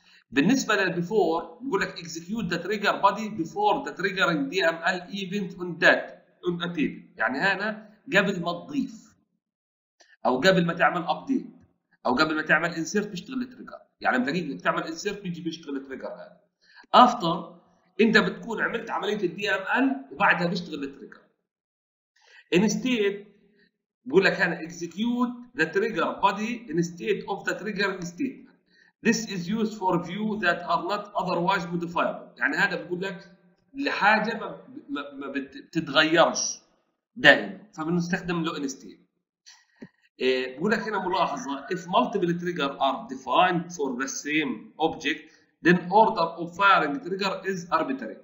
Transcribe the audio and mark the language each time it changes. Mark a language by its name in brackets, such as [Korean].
[Arabic] بالنسبه للبيفور بقول لك [English] execute the trigger body before the triggering D M L event on that on اتيب، [Arabic] يعني هنا قبل ما تضيف او قبل ما تعمل ابديت او قبل ما تعمل انسيرت بيشتغل التريجر، يعني لما تيجي تعمل انسيرت بيجي بيشتغل التريجر هذا. افتر انت بتكون عملت عمليه الدي ام ال وبعدها بيشتغل التريجر. [English] instead [Arabic] بقول لك انا [English] Execute the trigger body instead of the trigger instead. This is used for view that are not otherwise modifiable. [Arabic] يعني هذا بقول لك لحاجة ما بتتغيرش دائما، فبنستخدم له انستيت. بقول لك هنا ملاحظة، [English] if multiple trigger are defined for the same object, then order of firing trigger is arbitrary.